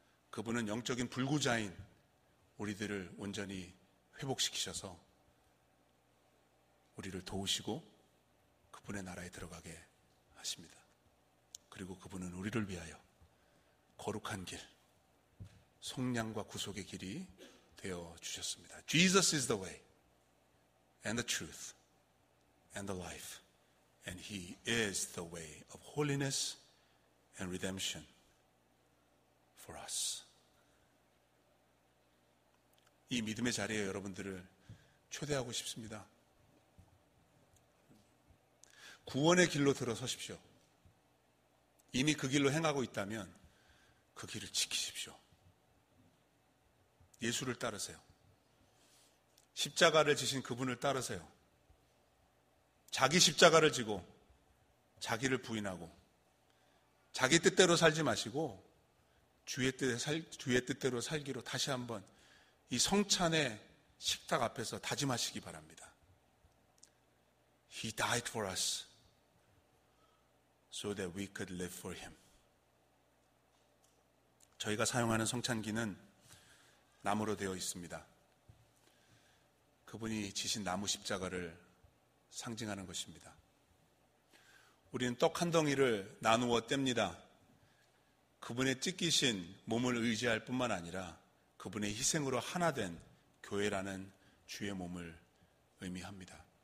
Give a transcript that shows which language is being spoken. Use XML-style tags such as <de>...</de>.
<ko>그분은 영적인 불구자인 우리들을 온전히 회복시키셔서 우리를 도우시고 그분의 나라에 들어가게 하십니다. 그리고 그분은 우리를 위하여 거룩한 길, 속량과 구속의 길이 되어 주셨습니다.</ko> <en>Jesus is the way and the truth and the life, and he is the way of holiness and redemption for us.</en> <ko>이 믿음의 자리에 여러분들을 초대하고 싶습니다. 구원의 길로 들어서십시오. 이미 그 길로 행하고 있다면 그 길을 지키십시오. 예수를 따르세요. 십자가를 지신 그분을 따르세요. 자기 십자가를 지고 자기를 부인하고 자기 뜻대로 살지 마시고 주의 뜻대로 살기로 다시 한번 이 성찬의 식탁 앞에서 다짐하시기 바랍니다.</ko> <en>He died for us so that we could live for him.</en> <ko>저희가 사용하는 성찬기는 나무로 되어 있습니다. 그분이 지신 나무 십자가를 상징하는 것입니다. 우리는 떡 한 덩이를 나누어 뗍니다. 그분의 찢기신 몸을 의지할 뿐만 아니라 그분의 희생으로 하나 된 교회라는 주의 몸을 의미합니다.</ko>